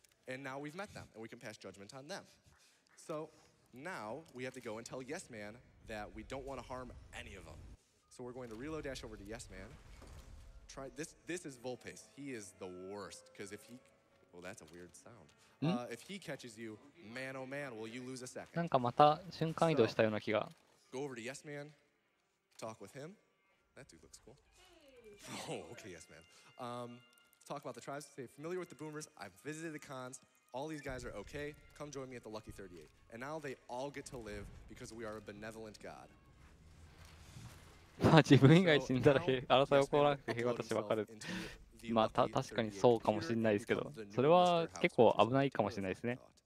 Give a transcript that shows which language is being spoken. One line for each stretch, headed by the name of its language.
English: And now we've met them, and we can pass judgment on them. So... Now we have to go and tell Yes Man that we don't want to harm any of them. So we're going to reload dash over to Yes Man. Try this. This is Volpes. He is the worst because if he, well, that's a weird sound. If he catches you, man, oh man, will you lose a second?
Japanese: なんかまた瞬間移動したような気が。
English: Go over to Yes Man. Talk with him. That dude looks cool. Oh, okay, Yes Man. Talk about the tribes. Stay familiar with the boomers. I've visited the cons. all these guys are okay, come join me at the Lucky 38. And now they all get to live because we are a benevolent God.
Japanese: まあ自分以外死んだら争い起こらなくて平和としてわかる。まあ確かにそうかもしれないですけど、それは結構危ないかもしれないですね。